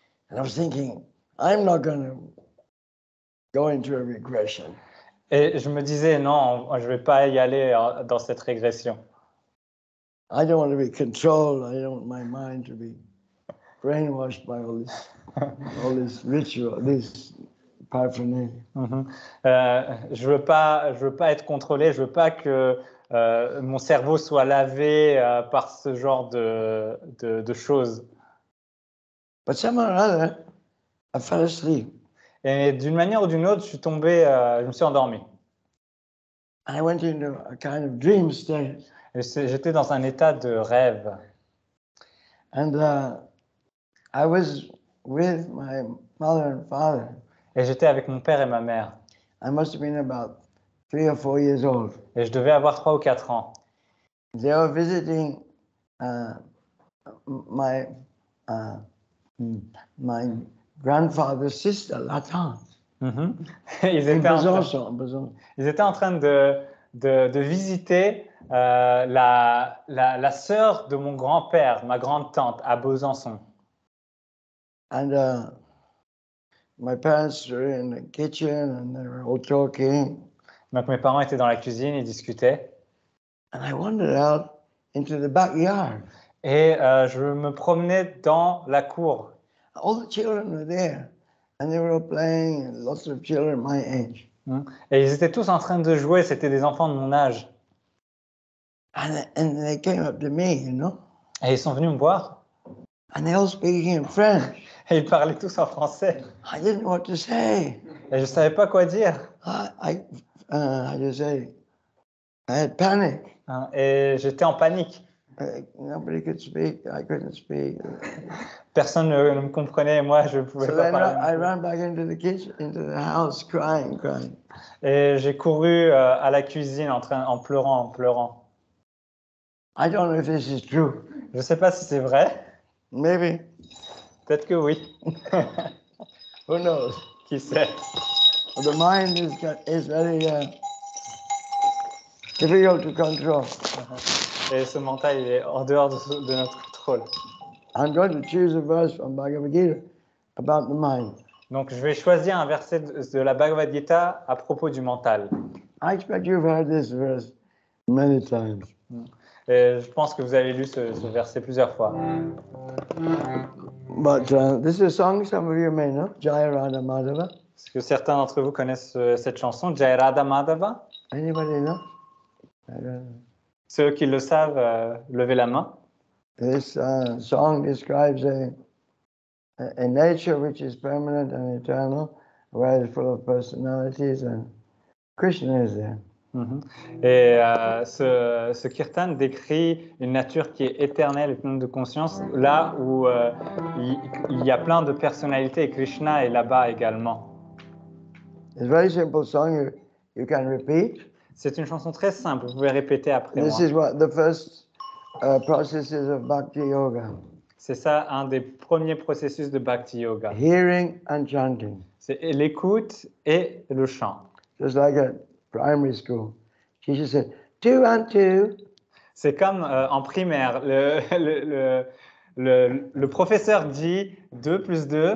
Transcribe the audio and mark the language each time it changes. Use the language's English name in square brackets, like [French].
[English] And I was thinking, I'm not going to go into a regression. [French] Et je me disais, non, je vais pas y aller dans cette régression. [English] I don't want to be controlled. I don't want my mind to be brainwashed by all this ritual, this paraphernalia. Mm-hmm. [French] Je veux pas être contrôlé. Je veux pas que mon cerveau soit lavé par ce genre de choses. [English] But somehow or other, I fell asleep. [French] Et d'une manière ou d'une autre, je suis tombé, je me suis endormi. [English] I went into a kind of dream state. [French] Et j'étais dans un état de rêve. [English] And I was with my mother and father. [French] Et j'étais avec mon père et ma mère. [English] I must have been about 3 or 4 years old. [French] Et je devais avoir 3 ou 4 ans. [English] They were visiting my grandfather's sister, [French] la tante. Mm-hmm. Ils étaient en Besançon. Ils étaient en train de visiter la sœur de mon grand-père, ma grande tante, à Besançon. [English] And my parents were in the kitchen and they were all talking. [French] Donc mes parents étaient dans la cuisine, ils discutaient. [English] And I wandered out into the backyard. [French] Et je me promenais dans la cour. [English] All the children were there, and they were all playing. Lots of children my age. [French] Et ils étaient tous en train de jouer. C'était des enfants de mon âge. [English] And they came up to me, you know. [French] Et ils sont venus me voir. [English] And they all speaking in French. [French] Et ils parlaient tous en français. [English] I didn't know what to say. [French] Et je savais pas quoi dire. [English] I just say, I had panic. [French] Et j'étais en panique. [English] Nobody could speak. I couldn't speak. [French] Personne ne me comprenait, moi je ne pouvais pas parler. [English] I ran back into the kitchen, into the house, crying. [French] Et j'ai couru à la cuisine en pleurant. [English] I don't know if this is true. [French] Je ne sais pas si c'est vrai. [English] Maybe. [French] Peut-être que oui. [English] Who knows? [French] Qui sait? [English] The mind is very difficult to control. [French] Et ce mental, il est en dehors de notre contrôle. [English] I'm going to choose a verse from Bhagavad Gita about the mind. [French] Donc, je vais choisir un verset de la Bhagavad Gita à propos du mental. [English] I expect you've heard this verse many times. [French] Et je pense que vous avez lu ce verset plusieurs fois. [English] But this is a song some of you may know, Jaya Radha Madhava. [French] Est-ce que certains d'entre vous connaissent cette chanson, Jaya Radha Madhava? [English] Anybody know? [French] Ceux qui le savent, levez la main. [English] This song describes a nature which is permanent and eternal, where it's full of personalities and Krishna is there. Mm-hmm. [French] Et ce kirtan décrit une nature qui est éternelle et pleine de conscience, là où il y a plein de personnalités et Krishna est là-bas également. [English] It's a very simple song. You can repeat. [French] C'est une chanson très simple. Vous pouvez répéter après [English] This [French] moi. [English] Is what the first processes of Bhakti Yoga. [French] C'est ça, un des premiers processus de Bhakti Yoga. [English] Hearing and chanting. [French] C'est l'écoute et le chant. [English] Just like at primary school, teacher said, two and two. [French] C'est comme en primaire, le professeur dit 2 plus 2.